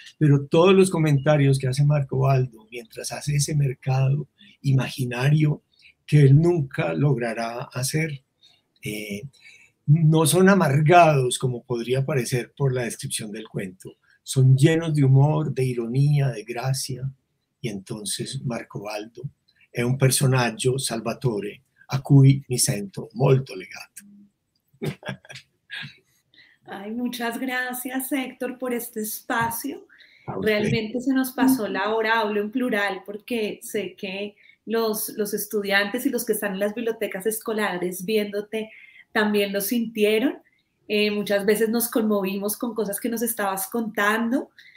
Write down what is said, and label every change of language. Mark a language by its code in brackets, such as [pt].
[es] Pero todos los comentarios que hace Marco Baldo mientras hace ese mercado imaginario que él nunca logrará hacer, no son amargados como podría parecer por la descripción del cuento. Son llenos de humor, de ironía, de gracia. Y entonces Marco Baldo es un [it] personaggio salvatore a cui mi sento molto legato. [es] Ay, muchas gracias, Héctor, por este espacio. A usted. Realmente se nos pasó la hora, hablo en plural porque sé que los estudiantes y los que están en las bibliotecas escolares viéndote también lo sintieron. Muchas veces nos conmovimos con cosas que nos estabas contando.